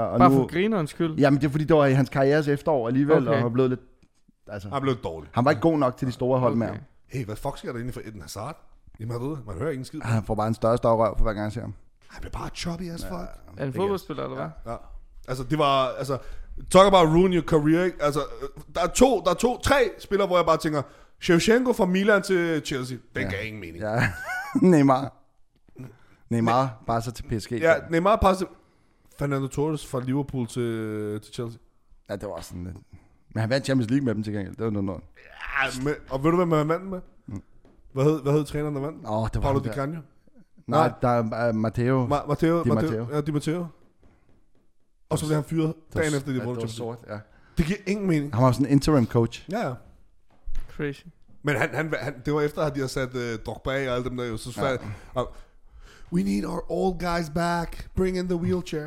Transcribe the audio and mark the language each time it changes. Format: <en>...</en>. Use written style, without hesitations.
<da>Og bare for grinerens skyld. Jamen det er fordi det var i hans karrieres efterår alligevel, okay. Og han blev lidt... Altså, han blev dårlig. Han var ikke god nok til de store hold med ham. Hey, hvad fuck sker der inden for Eden Hazard? I Madrid? Man hører ingen skid. Han får bare en større røv for hver gang jeg ser ham. Han bliver bare</da> <en>choppy as fuck.</en> <da>En fodboldspiller, eller hvad? Ja. Altså, det var...</da> <en>Altså, talk about ruin your career, ikke?</en> <da>Altså, der er tre spillere, hvor jeg bare tænker... Shevchenko fra Milan til Chelsea. Den gav ingen mening. Ja. Neymar. Neymar bare så til PSG. Ja, Neymar bare til... Fernando Torres fra Liverpool til Chelsea. Ja, det var sådan lidt... Men han vandt Champions League med dem til gengæld. Det var noget. Ja, og ved du, hvem han vandt med? Hvad hed træneren, der vandt? Åh, det var... Paulo Di Canio. Nej, der er Matteo. Matteo. Og så bliver han fyret dagen efter, de vundet. Det var sort, ja. Det giver ingen mening. Han var sådan en interim coach. Ja.</da> <en>Crazy.</en> <da>Men han, det var efter, at de havde sat Drogba og alle dem der. Så svært. Ja.</da> <en>We need our old guys back. Bring in the wheelchair.</en>